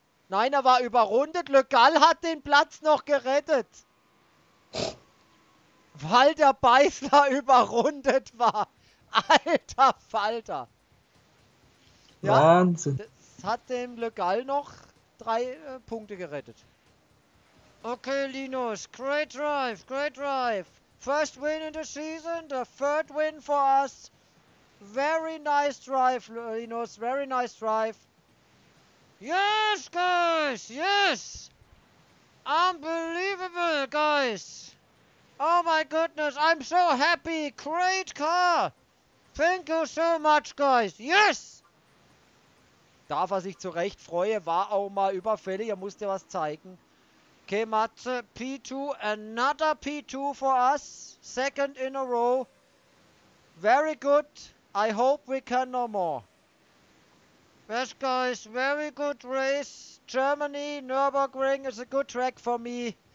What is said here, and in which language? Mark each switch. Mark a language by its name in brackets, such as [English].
[German] Nein, er war überrundet. Le Gall hat den Platz noch gerettet. Weil der Beißler überrundet war. Alter Falter. Ja, Wahnsinn. Das hat dem Le Gall noch 3 Punkte gerettet. [English] Okay, Linus. Great drive, great drive. First win in the season, the third win for us. Very nice drive, Linus. Very nice drive. Yes, guys! Yes! Unbelievable, guys! Oh my goodness, I'm so happy! Great car! Thank you so much, guys! Yes! [German] Darf er sich zu Recht freuen, war auch mal überfällig, er musste was zeigen. [English] Okay, Matze, P2, another P2 for us. Second in a row. Very good. I hope we can no more. Yes, guys, very good race. Germany, Nürburgring is a good track for me.